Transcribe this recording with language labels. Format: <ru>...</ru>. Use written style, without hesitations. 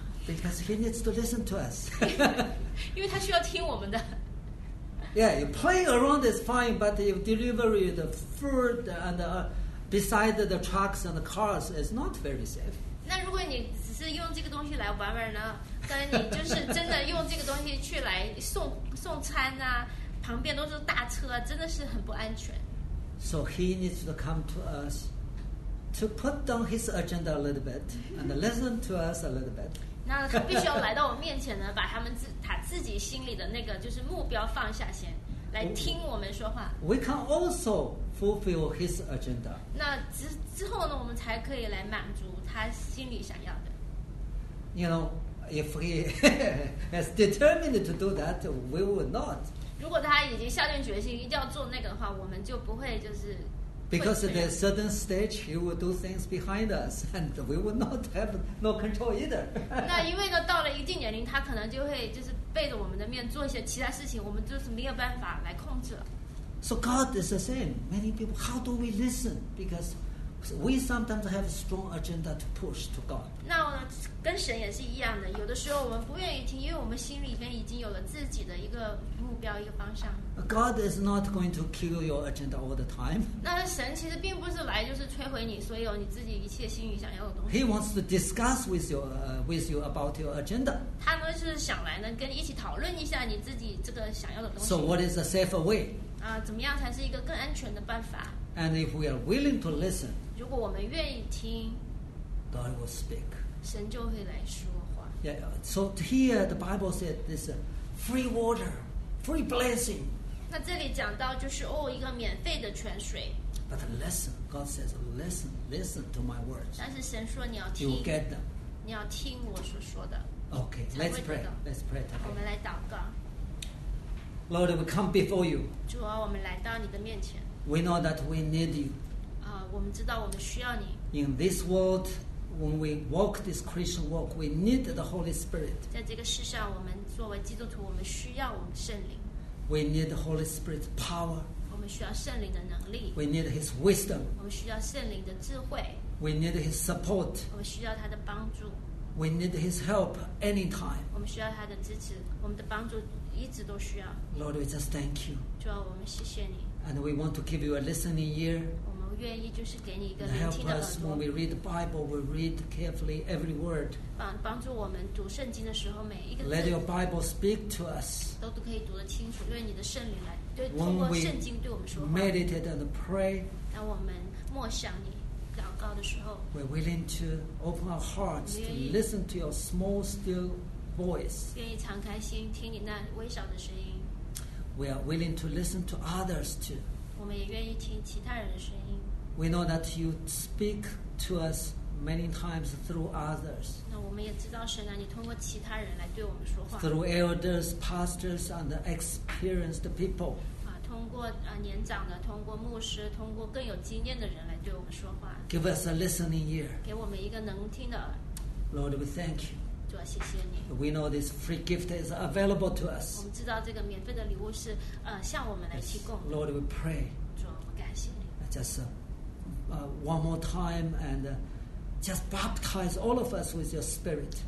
<en>Because he needs to listen to us.</en> <zh>因为他需要听我们的。</zh> <en>Yeah, you play around is fine, but if delivery the food and beside the trucks and the cars is not very safe.</en> <zh>那如果你只是用这个东西来玩玩呢？跟你就是真的用这个东西去来送餐啊，旁边都是大车、啊，真的是很不安全。</zh> <en>So he needs to come to us to put down his agenda a little bit and listen to us a little bit.</en> <zh>那他必须要来到我面前呢，把他自己心里的那个就是目标放下先，来听我们说话。</zh> <en>We can also fulfill his agenda.</en> <zh>那之后呢，我们才可以来满足他心里想要的。</zh> <en>You know. If he is determined to do that, we will not.</en> <zh>如果他已经下定决心一定要做那个的话，我们就不会就是。</zh> <en>Because at a certain stage, he will do things behind us, and we will not have no control either.</en> <zh>那因为呢，到了一定年龄，他可能就会就是背着我们的面做一些其他事情，我们就是没有办法来控制了。</zh> <en>So God is the same. Many people, how do we listen? Because. So、we sometimes have a strong agenda to push to God.</en> <zh>那跟神也是一样的，有的时候我们不愿意听，因为我们心里边已经有了自己的一个目标、一个方向。</zh> <en>God is not going to kill your agenda all the time.</en> <zh>那神其实并不是来就是摧毁你所有你自己一切心里想要的东西。</zh> <en>He wants to discuss with you about your agenda.</en> <zh>他呢是想来呢跟你一起讨论一下你自己这个想要的东西。</zh> <en>So what is a safer way?</en> <zh>啊，怎么样才是一个更安全的办法？</zh> <en>And if we are willing to listen,</en> <zh>如果我们愿意听</zh> <en>God will speak.</en> <zh>神就会来说话。</zh> <en>Yeah, so here the Bible said this free water, free blessing.</en> <zh>那这里讲到就是哦，一个免费的泉水。</zh> <en>But listen, God says, listen to my words.</en> <zh>但是神说你要听。</zh> <en>You will get them.</en> <zh>你要听我所说的。</zh> <en>Okay, let's pray together.</en> <zh>我们来祷告。</zh> <en>Lord, we come before you.</en> <zh>主啊，我们来到你的面前。</zh> <en>We know that we need you.</en> <zh>我们知道我们需要你。</zh> <en>In this world, when we walk this Christian walk, we need the Holy Spirit.</en> <zh>在这个世上，我们作为基督徒，我们需要我们圣灵。</zh> <en>We need the Holy Spirit's power.</en> <zh>我们需要圣灵的能力。</zh> <en>We need His wisdom.</en> <zh>我们需要圣灵的智慧。</zh> <en>We need His support.</en> <zh>我们需要他的帮助。</zh> <en>We need His help anytime.</en> <zh>我们需要他的支持，我们的帮助一直都需要。</zh> <en>Lord, we just thank you.</en> <zh>主啊，我们谢谢你。</zh> <en>And we want to give you a listening ear.</en> <zh>我们愿意就是给你一个聆听的耳朵。</zh> <en>Help us when we read the Bible, we read carefully every word.</en> <zh>帮助我们读圣经的时候每一个字。</zh> <en>Let your Bible speak to us.</en> <zh>都可以读得清楚，愿你的圣灵来对通过圣经对我们说话。</zh> <en>When we meditate and pray.</en> <zh>当我们默想你祷告的时候。</zh> <en>We're willing to open our hearts to listen to your small still voice.</en> <zh>愿意敞开心听你那微小的声音。</zh> <en>We are willing to listen to others too.</en> <zh>我们也愿意听其他人的声音。</zh> <en>We know that you speak to us many times through others.</en> <zh>那我们也知道神啊，你通过其他人来对我们说话。</zh> <en>Through elders, pastors, and experienced people.</en> <zh>通过年长的，通过牧师，通过更有经验的人来对我们说话。</zh> <en>Give us a listening ear.</en> <zh>给我们一个能听的耳。</zh> <en>Lord, we thank you.</en> <zh>主啊，谢谢你。</zh> <en>We know this free gift is available to us.</en> <zh>我们知道这个免费的礼物是向我们来提供的。</zh> <en>Lord, we pray.</en> <zh>主啊，我们感谢你。</zh> <en>Just one more time and just baptize all of us with your spirit.</en>